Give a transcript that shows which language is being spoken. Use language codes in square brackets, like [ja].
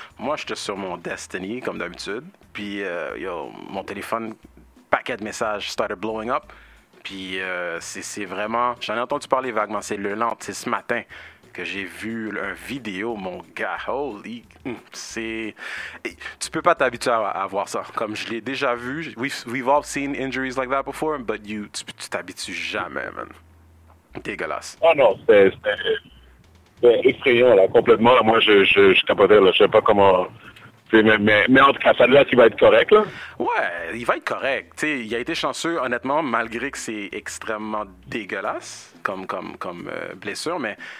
[fr] Moi, j'étais sur mon Destiny, comme d'habitude. Puis, mon téléphone, paquet de messages [en] started blowing up. [fr] Puis, c'est vraiment, j'en ai entendu parler vaguement, c'est le lendemain, c'est ce matin. Que j'ai vu une vidéo, mon gars, holy, c'est... Tu peux pas t'habituer à voir ça, comme je l'ai déjà vu. [en] We've all seen injuries like that before, but [fr] tu t'habitues jamais, [en] man. [fr] Dégueulasse. Ah non, c'est effrayant, là, complètement. Moi, je capotais, là, je sais pas comment... Mais en tout cas, celle-là, tu vas être correct, là? Ouais, il va être correct. Tu sais, il a été chanceux, honnêtement, malgré que c'est extrêmement dégueulasse, comme blessure, mais...